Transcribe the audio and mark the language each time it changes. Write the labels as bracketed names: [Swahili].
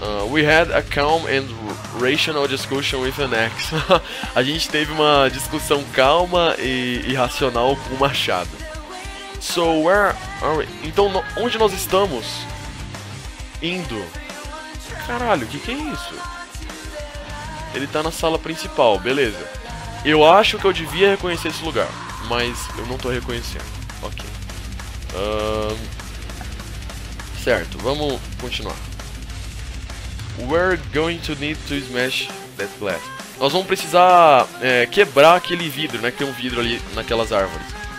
[English] We had a calm and rational discussion with an ex. [Portuguese] A gente teve uma discussão calma e irracional com o machado. [English] So where are we? [Portuguese] Então, onde nós estamos indo? Caralho, o que é isso? Ele tá na sala principal, beleza. Eu acho que eu devia reconhecer esse lugar, mas eu não tô reconhecendo. Ok. Certo, vamos continuar. [English] We're going to need to smash that glass. [Portuguese] Nós vamos precisar quebrar aquele vidro, né? Que tem um vidro ali naquelas árvores.